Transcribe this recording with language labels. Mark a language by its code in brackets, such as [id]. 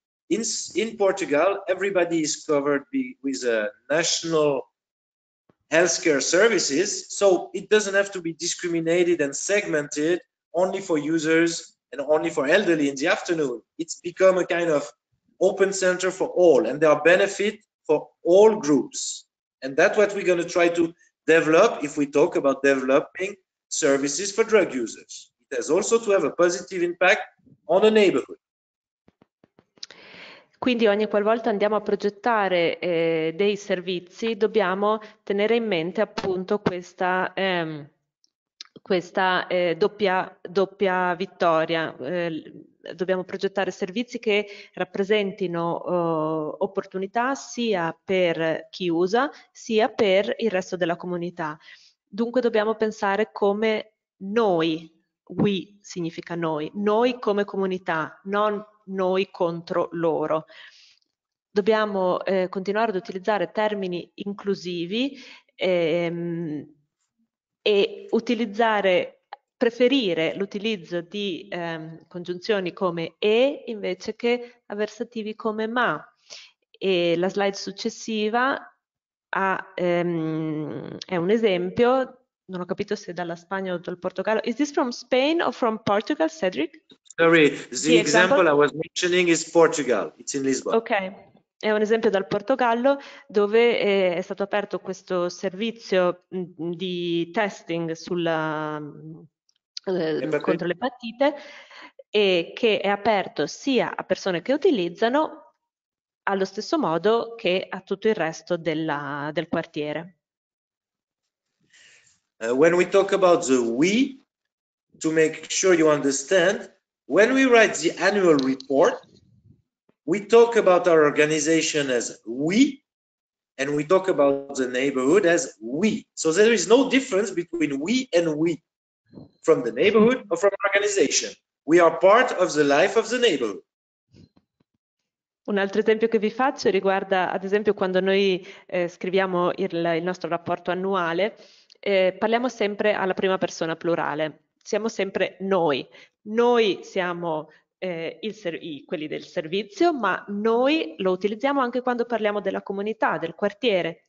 [en] In Portugal, everybody is covered with a national healthcare services, so it doesn't have to be discriminated and segmented only for users and only for elderly in the afternoon. It's become a kind of open center for all, and there are benefits for all groups. And that's what we're going to try to develop if we talk about developing services for drug users. It has also to have a positive impact on the neighborhood. [it] Quindi ogni qualvolta andiamo a progettare dei servizi, dobbiamo tenere in mente appunto questa doppia vittoria. Dobbiamo progettare servizi che rappresentino opportunità sia per chi usa, sia per il resto della comunità. Dunque dobbiamo pensare come noi, we significa noi come comunità, non noi contro loro. Dobbiamo continuare ad utilizzare termini inclusivi e preferire l'utilizzo di congiunzioni come e invece che avversativi come ma. E la slide successiva è un esempio. Non ho capito se dalla Spagna o dal Portogallo. [en] Is this from Spain or from Portugal, Cedric? Sorry, the example I was mentioning is Portugal. It's in Lisbon. Okay. [it] È un esempio dal Portogallo dove è stato aperto questo servizio di testing contro l'epatite e che è aperto sia a persone che utilizzano allo stesso modo che a tutto il resto del quartiere. [en] When we talk about the we, to make sure you understand, when we write the annual report, we talk about our organization as we, and we talk about the neighborhood as we. So there is no difference between we and we, from the neighborhood or from organization. We are part of the life of the neighborhood. [it] Un altro esempio che vi faccio riguarda, ad esempio, quando noi scriviamo il nostro rapporto annuale. Parliamo sempre alla prima persona plurale, siamo sempre noi. Noi siamo quelli del servizio, ma noi lo utilizziamo anche quando parliamo della comunità, del quartiere.